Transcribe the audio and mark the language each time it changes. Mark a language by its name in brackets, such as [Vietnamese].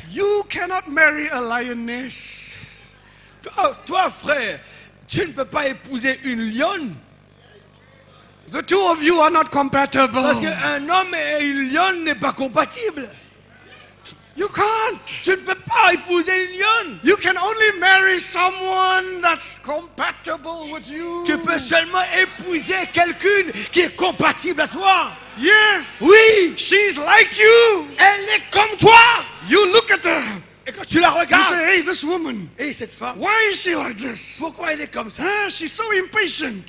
[English] You cannot marry a lioness. [French] Toi, frère, tu ne peux pas épouser une lionne. [English] The two of you are not compatible. [French] Parce qu'un homme et une lionne n'est pas compatible. [English] You can't. [French] Tu ne peux pas épouser une lionne. [English] You can only marry someone that's compatible with you. [French] Tu peux seulement épouser quelqu'une qui est compatible à toi. [English] Yes. [French] Oui. [English] She's like you. [French] Elle est comme toi. [English] You look at her. [French] Et quand tu la regardes, [English] you say, hey, this woman, [French] hey, cette femme, [English] why is she like this? [French] Pourquoi elle est comme ça? [English] Ah, she's so impatient.